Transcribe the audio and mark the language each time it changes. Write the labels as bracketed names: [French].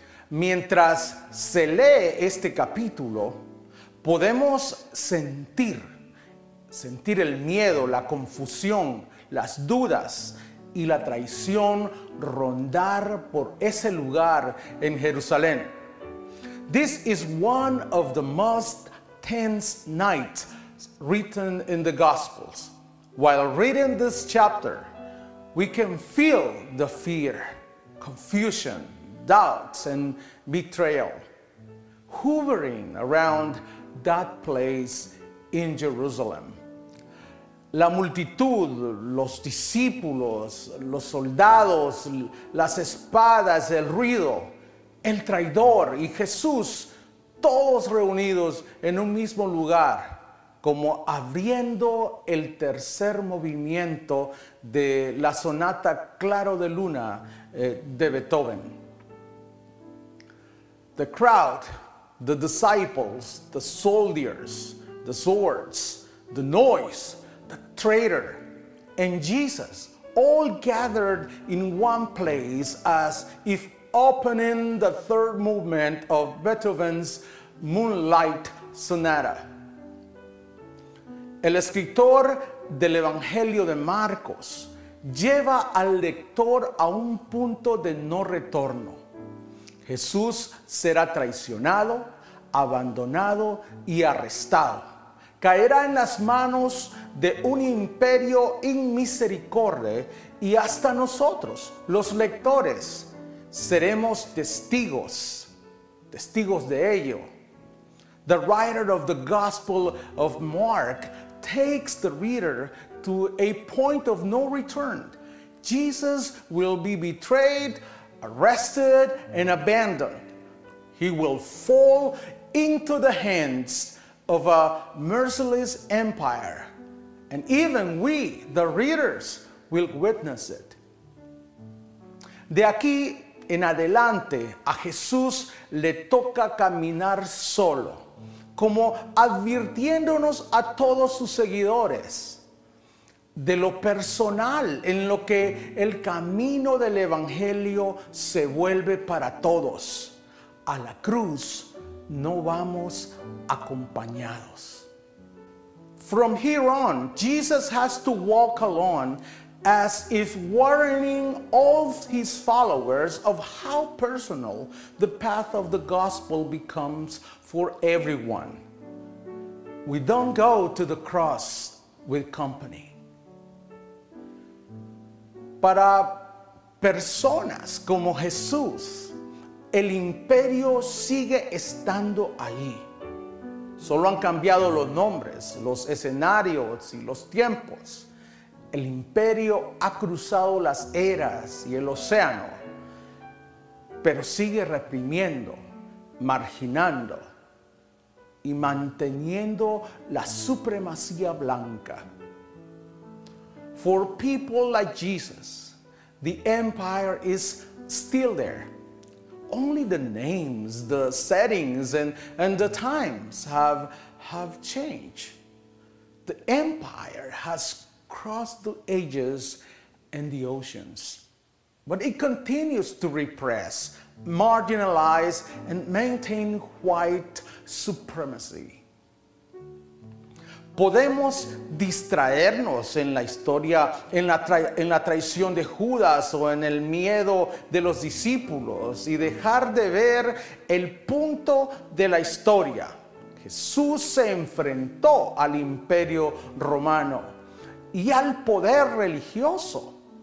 [Spanish] Mientras se lee este capítulo, podemos sentir el miedo, la confusión, las dudas y la traición rondar por ese lugar en Jerusalén. [English] This is one of the most tense nights written in the Gospels. While reading this chapter, we can feel the fear, confusion, doubts, and betrayal hovering around that place in Jerusalem. [Spanish] La multitud, los discípulos, los soldados, las espadas, el ruido, el traidor y Jesús, todos reunidos en un mismo lugar, como abriendo el tercer movimiento de la sonata Claro de Luna de Beethoven. [English] The crowd, the disciples, the soldiers, the swords, the noise, the traitor, and Jesus all gathered in one place as if opening the third movement of Beethoven's Moonlight Sonata. [Spanish] El escritor del Evangelio de Marcos lleva al lector a un punto de no retorno. Jesús será traicionado, abandonado y arrestado. Caerá en las manos de un imperio inmisericorde y hasta nosotros, los lectores, seremos testigos de ello. [English] The writer of the Gospel of Mark takes the reader to a point of no return. Jesus will be betrayed, arrested, and abandoned. He will fall into the hands of a merciless empire. And even we, the readers, will witness it. [Spanish] De aquí en adelante, a Jesús le toca caminar solo, como advirtiéndonos a todos sus seguidores de lo personal en lo que el camino del Evangelio se vuelve para todos. A la cruz no vamos acompañados. [English] From here on, Jesus has to walk alone, as if warning all his followers of how personal the path of the gospel becomes for everyone. We don't go to the cross with company. [Spanish] Para personas como Jesús, el imperio sigue estando ahí. Solo han cambiado los nombres, los escenarios y los tiempos. El imperio ha cruzado las eras y el océano, pero sigue reprimiendo, marginando y manteniendo la supremacía blanca. [English] For people like Jesus, the empire is still there. Only the names, the settings, and the times have changed. The empire has crossed the ages and the oceans, but it continues to repress, marginalize, and maintain white supremacy. [Spanish] Podemos distraernos en la historia, en la traición de Judas o en el miedo de los discípulos y dejar de ver el punto de la historia. Jesús se enfrentó al imperio romano y al poder religioso.